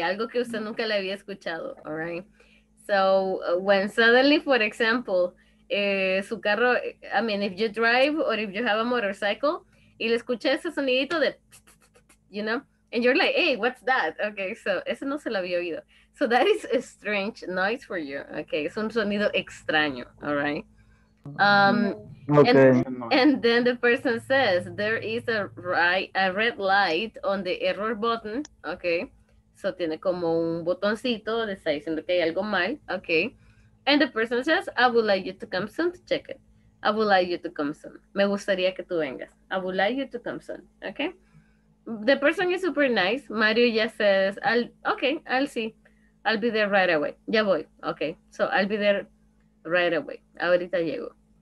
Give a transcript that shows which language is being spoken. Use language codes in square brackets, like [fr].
[es] Algo que usted nunca le había escuchado, all right? [en] So when suddenly, for example, [es] su carro, [en] I mean, if you drive or if you have a motorcycle, [es] y le escucha ese sonidito de, [en] you know? And you're like, hey, what's that? [es] Okay, so ese no se lo había oído. [en] So that is a strange noise for you. [es] Okay, es un sonido extraño, all right? [en] Okay. And then the person says, there is a red light on the error button, okay? [es] So tiene como un botoncito, le está diciendo que hay algo mal, okay? [en] And the person says, I would like you to come soon to check it. I would like you to come soon. [es] Me gustaría que tú vengas. [en] I would like you to come soon, okay? The person is super nice. Mario ya says, I'll see. I'll be there right away. [es] Ya voy. [en] Okay. So I'll be there right away. [es] Ahorita llego.